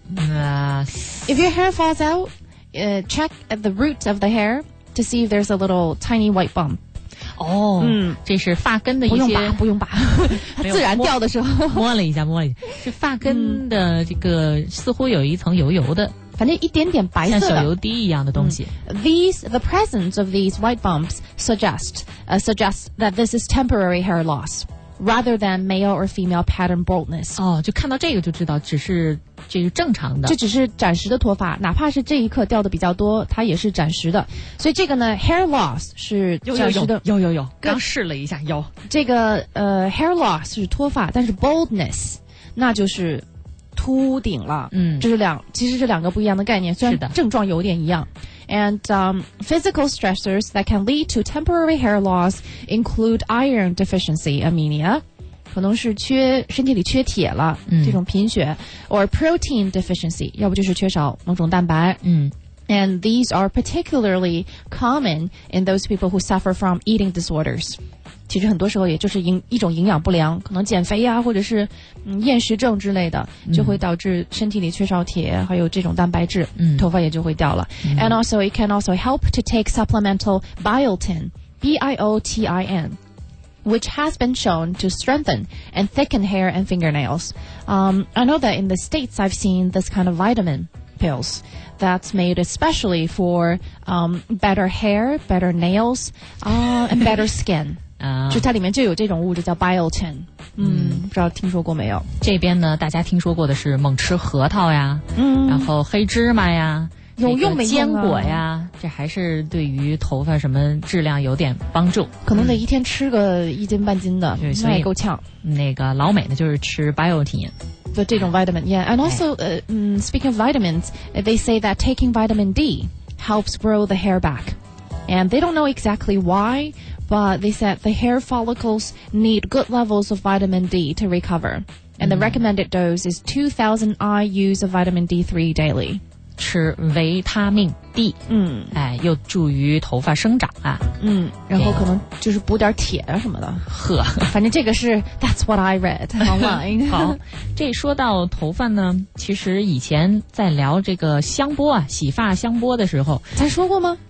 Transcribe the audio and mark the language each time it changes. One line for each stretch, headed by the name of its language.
English: If your hair falls out, check at the roots of the hair to see if there's a little tiny white bump.
Chinese: 哦、oh, 嗯、这是发根的一些不用拔不用拔自然掉的时候摸了一下是发根的这个似乎有一层油油的反正一点点白色的像小油滴一样的东西、嗯、
English: The presence of these white bumps suggest that this is temporary hair loss rather than male or female pattern baldness
Chinese: 哦，就看到这个就知道只是这个正常的这只是暂时的脱发哪怕是这一刻掉的比较多它也是暂时的所以这个呢 hair loss 是暂时的有刚试了一下有这个hair loss 是脱发但是 baldness 那就是秃顶了，嗯，这是两，其实是两个不一样的概念，虽然症状有点一样。
English: And physical stressors that can lead to temporary hair loss include iron deficiency anemia,
Chinese: 可能是缺身体里缺铁了、嗯，这种贫血 ，
English: or protein deficiency,
Chinese: 要不就是缺少某种蛋白，嗯。
English: And these are particularly common in those people who suffer from eating disorders.
Chinese: 其实很多时候也就是一种营养不良可能减肥啊或者是、嗯、厌食症之类的就会导致身体里缺少铁还有这种蛋白质、嗯、头发也就会掉了、嗯、
English: And also it can also help to take supplemental biotin B-I-O-T-I-N which has been shown to strengthen and thicken hair and fingernails、I know that in the States I've seen this kind of vitamin pills that's made especially for、better hair, better nails、and better skin
Chinese: 就它里面就有这种物质叫
English: biotin
Chinese: 嗯不知道听说过没有这边呢大家听说过的是猛吃核桃呀嗯然后黑芝麻呀有用没用、啊那个、坚果呀这还是对于头发什么质量有点帮助可能得一天吃个一斤半斤的、嗯、那也够呛那个老美呢就是吃 biotin 就这种
English: vitamin yeah and also、speaking of vitamins they say that taking vitamin D helps grow the hair back and they don't know exactly whyBut they said the hair follicles need good levels of vitamin D to recover. And the recommended dose is 2,000 IUs of vitamin D3 daily.
Chinese: 吃维他命 D. 嗯，哎，又助于头发生长啊。嗯，然后可能就是补点铁啊什么的。呵，反正这个是
English: that's what I read online.
Chinese: 好，这说到头发呢，其实以前在聊这个香波啊，洗发香波的时候，咱说过吗？